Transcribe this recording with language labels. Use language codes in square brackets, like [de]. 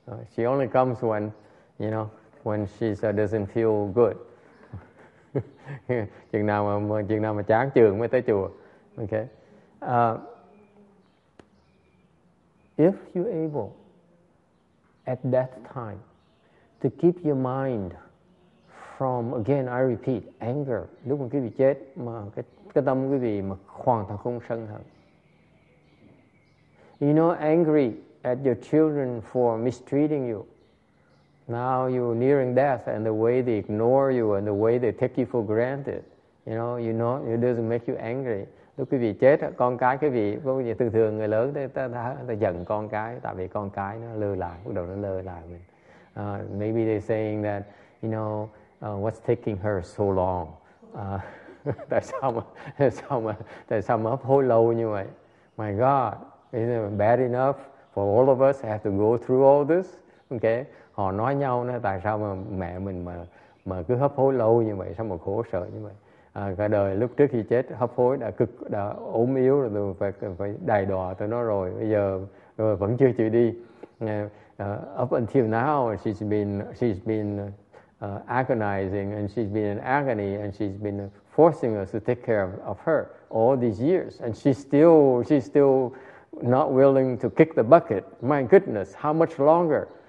[en] She only comes when, you know, when she doesn't feel good. [vi] chừng nào mà chán trường mới tới chùa. [en] Okay. If you're able at that time to keep your mind from, again, I repeat, anger. [vi] Lúc mà quý vị chết mà cái tâm quý vị mà hoàn toàn không sân hận. [en] You know, angry at your children for mistreating you. Now you're nearing death, and the way they ignore you and the way they take you for granted, you know, it doesn't make you angry. [vi] Lúc quý vị chết, con cái quý vị, thường thường người lớn ta giận con cái, tại vì con cái nó lơ là, bắt đầu nó lơ là mình. [en] Maybe they're saying that, you know, what's taking her so long? [vi] tại sao mà hấp hối lâu như vậy? [en] My God, is it bad enough for all of us have to go through all this? [vi] Okay, họ nói nhau nữa, tại sao mà mẹ mình mà cứ hấp hối lâu như vậy, sao mà khổ sở như vậy? Cả đời lúc trước khi chết hấp hối đã ốm yếu rồi, tôi phải đày đọa tôi nó rồi, bây giờ vẫn chưa chịu đi. [en] Up until now she's been agonizing, and she's been in agony, and she's been forcing us to take care of her all these years, and she's still not willing to kick the bucket. My goodness, how much longer?